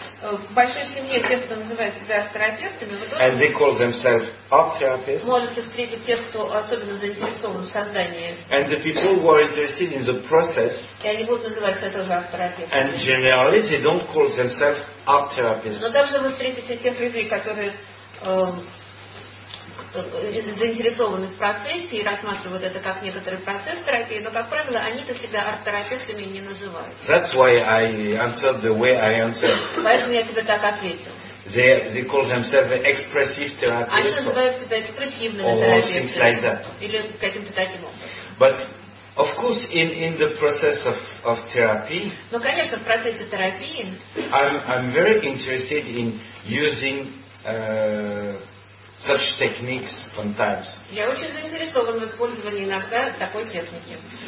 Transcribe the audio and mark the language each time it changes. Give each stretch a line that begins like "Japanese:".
Russian: В большой семье те, кто называют себя арт-терапевтами, вы тоже.
English: And they call themselves art therapists.
Russian: Можете встретить тех, кто особенно заинтересован в создании.
English: And the people who are interested in the process.
Russian: И они будут называть себя тоже арт-терапевтами.
English: And generally, they don't call themselves art therapists.
Russian: Но также вы встретите тех людей, которые заинтересованы в процессе и рассматривают это как некоторый процесс терапии, но, как правило, они-то себя арт-терапевтами не называют.
English: That's why I answered the way I answered.
Russian: Поэтому я тебе так ответил.
English: They call themselves expressive therapists.
Russian: Они называют себя экспрессивными терапевтами. Или каким-то таким образом.
English: But of course, in the process of therapy.
Russian: Но, конечно, в процессе терапии.
English: I'm very interested in using such techniques sometimes.
Russian: Я очень заинтересован в использовании иногда такой техники.